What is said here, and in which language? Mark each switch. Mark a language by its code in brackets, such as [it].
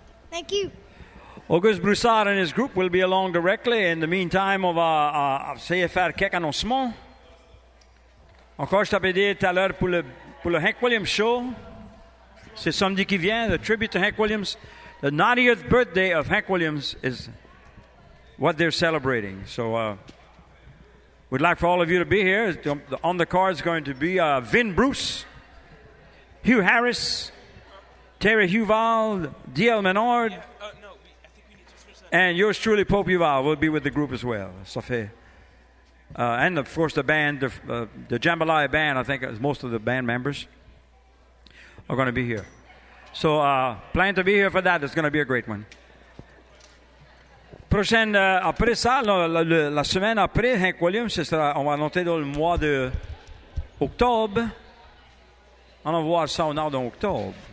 [en] Thank you. Auguste Broussard and his group will be along directly. In the meantime, [fr] on va essayer de faire quelques annoncements. Encore, je t'avais dit tout à l'heure pour le Hank Williams Show. C'est samedi qui vient, [en] the tribute to Hank Williams. The 90th birthday of Hank Williams is what they're celebrating. So we'd like for all of you to be here. On the card is going to be Vin Bruce, Hugh Harris, Terry Huval, D.L. Menard, and yours truly, Pope Huval, will be with the group as well. And, of course, the band, the Jambalaya band, I think most of the band members are going to be here. So plan to be here for that. It's going to be a great one. [fr] Prochaine, après ça, la semaine après Hank Williams, ce sera, on va noter dans le mois d'octobre. On va voir ça au nord d'octobre.